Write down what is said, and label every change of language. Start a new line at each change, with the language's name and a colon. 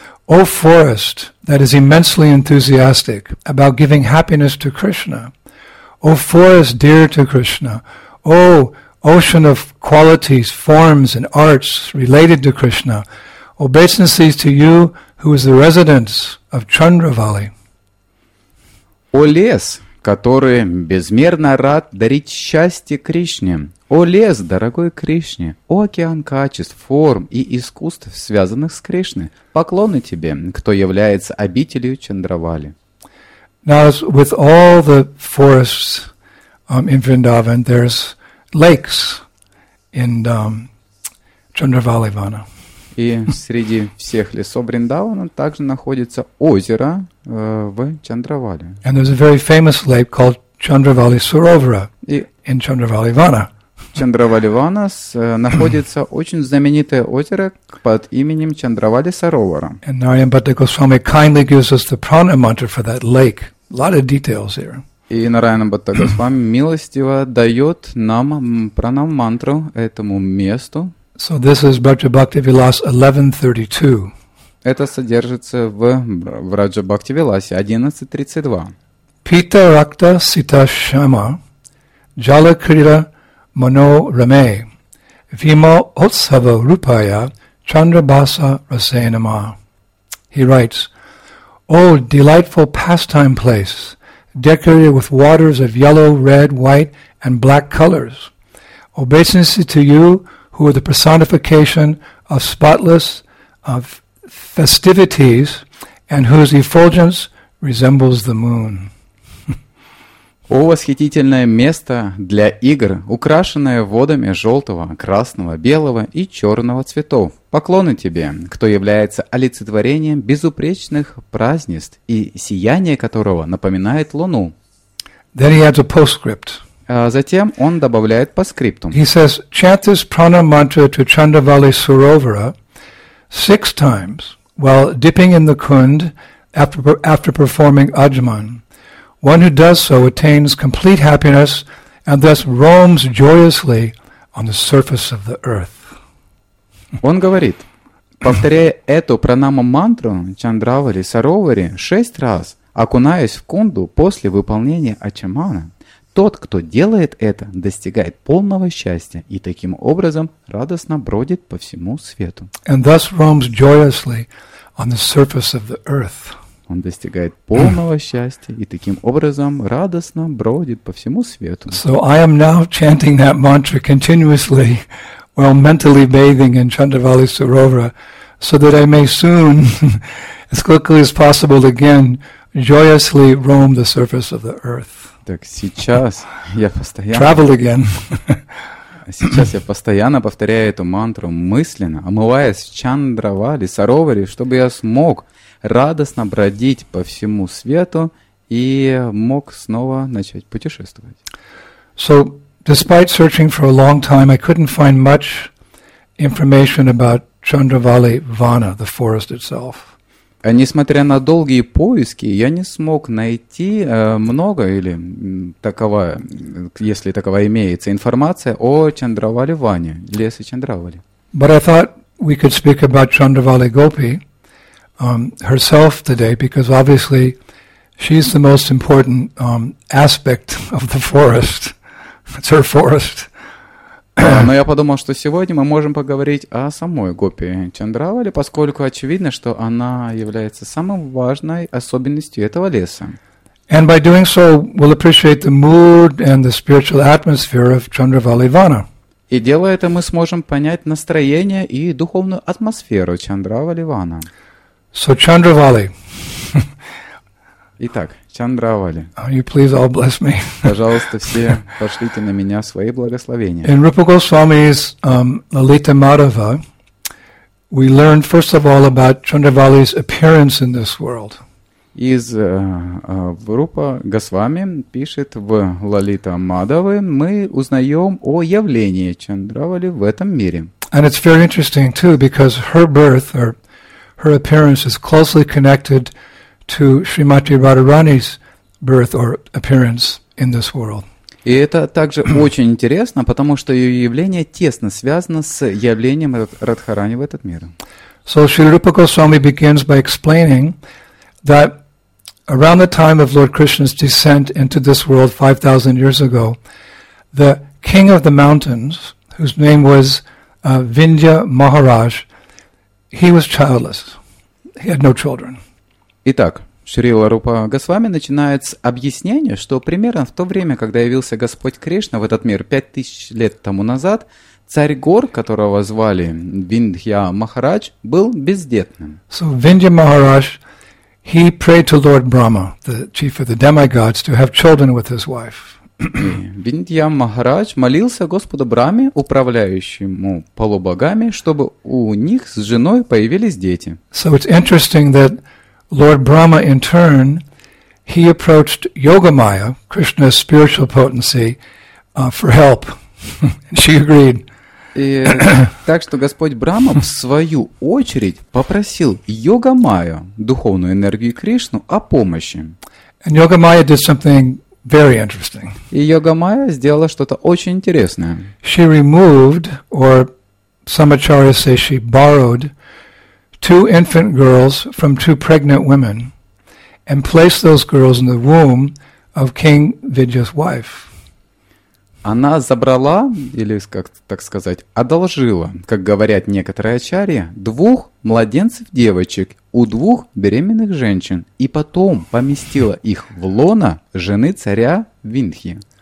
English: O forest that is immensely enthusiastic about giving happiness to Krishna, O forest dear to Krishna, O ocean of qualities, forms, and arts related to Krishna. Obeisances to you, who is the residence of Chandra Valley.
Russian: О лес, который безмерно рад дарить счастье Кришне. О лес, дорогой Кришне. О океан качеств, форм и искусств, связанных с Кришной. Поклоны тебе, кто является обителью Чандравали.
English: Now, as with all the forests in Vrindavan, there's lakes in Chandravali Vana.
Russian: И среди всех лесов Вриндавана также находится озеро в Чандравали.
English: And there's a very famous lake called Chandravali Sarovara in Chandravali Vana.
Russian: Чандравали Вана находится очень знаменитое озеро под именем Чандравали Саровара.
English: And Narayan Bhatta Goswami kindly gives us the prana mantra for that lake. A lot of details here.
Russian: И Нараяна Бхатта Госвами милостиво дает нам пранам-мантру этому месту.
English: So this is Braja Bhakti Vilas 11.32.
Russian: Это содержится в Braja Bhakti Vilas 11.32.
Sanskrit: Pita Rakta Sita Shama Jala Krira Mano Rame Vimo Otsava Rupaya Chandrabhasa Rasenama.
English: He writes, Oh, delightful pastime place, decorated with waters of yellow, red, white, and black colors. Obeisances to you, who are the personification of spotless festivities, and whose effulgence resembles the moon.
Russian: О, восхитительное место для игр, украшенное водами желтого, красного, белого и черного цветов. Поклоны тебе, кто является олицетворением безупречных празднеств и сияние которого напоминает луну.
English: Then he adds a postscript.
Russian: Затем он добавляет постскриптум.
English: He says, chant this prana mantra to Chandravali Sarovara 6 times while dipping in the kund after performing ajman. One who does so attains complete happiness and thus roams joyously on the surface of the earth.
Russian: Он говорит, повторяя эту пранама-мантру Чандравали Саровари 6 раз, окунаясь в кунду после выполнения ачамана, тот, кто делает это, достигает полного счастья и таким образом радостно бродит по всему свету.
English: And thus roams joyously on the surface of the earth.
Russian: Он достигает полного счастья и таким образом радостно бродит по всему свету.
English: So I am now chanting that mantra continuously while mentally bathing in Chandravali Sarovara so that I may soon, as quickly as possible again, joyously roam the surface of the earth.
Russian: Так сейчас я постоянно...
English: Travel again.
Russian: Сейчас я постоянно повторяю эту мантру мысленно, омываясь в Чандравали Сароваре, чтобы я смог... радостно бродить по всему свету и мог снова начать путешествовать.
English: So, despite searching for a long time, I couldn't find much information about Chandravali Vana, the forest itself.
Russian: Несмотря на долгие поиски, я не смог найти много или такова, если такова имеется, информация о Чандравали Ване, лесе Чандравали.
English: But I thought we could speak about Chandravali Gopi. Herself today, because obviously she's the most important aspect of the forest. It's her forest.
Russian: Но я подумал, что сегодня мы можем поговорить о самой Гопи Чандравали, поскольку очевидно, что она является самой важной особенностью этого леса.
English: And by doing so, we'll appreciate the mood and the spiritual atmosphere of Chandravali Vana.
Russian: И делая это, мы сможем понять настроение и духовную атмосферу Чандравали Вана.
English: So Chandravali.
Russian: Итак, Чандравали.
English: Are you please all bless me?
Russian: Пожалуйста, все пошлите на меня свои благословения.
English: In Rupa Goswami's Lalita Madhava, we learn first of all about Chandravali's appearance in this world.
Russian: Из Рупа Госвами пишет в Лалита Мадхавы, мы узнаем о явлении Чандравали в этом мире.
English: And it's very interesting too, because her birth or her appearance is closely connected to Srimati Radharani's birth or appearance in this world.
Russian: И это также очень интересно, потому что ее явление тесно связано с явлением Радхарани в этот мир.
English: So Srila Rupa Goswami begins by explaining that around the time of Lord Krishna's descent into this world 5,000 years ago, the king of the mountains, whose name was Vindhya Maharaj, he was childless. He had no children.
Russian: Итак, Шрила Рупа Госвами начинает с объяснения, что примерно в то время, когда явился Господь Кришна в этот мир 5000 лет тому назад, царь гор, которого звали Виндхья Махарадж, был бездетным.
English: So Vindhya Maharaj, he prayed to Lord Brahma, the chief of the demigods, to have children with his wife.
Russian: Виндхья Махарадж молился Господу Браме, управляющему полубогами, чтобы у них с женой появились дети.
English: So it's interesting that Lord Brahma, in turn, he approached Yogamaya, Krishna's spiritual potency, for help. She agreed.
Russian: Так что Господь Брама, в свою очередь, попросил Йогамаю, духовную энергию Кришну, о помощи.
English: And Yogamaya did something very interesting.
Russian: И Йогамая сделала что-то очень интересное.
English: She removed, or some acharyas say she borrowed, two infant girls from two pregnant women and placed those girls in the womb of King Vidya's wife.
Russian: Она забрала, или как так сказать, одолжила, как говорят некоторые ачарьи, двух младенцев девочек у двух беременных женщин и потом поместила их в лоно жены царя Виндхи.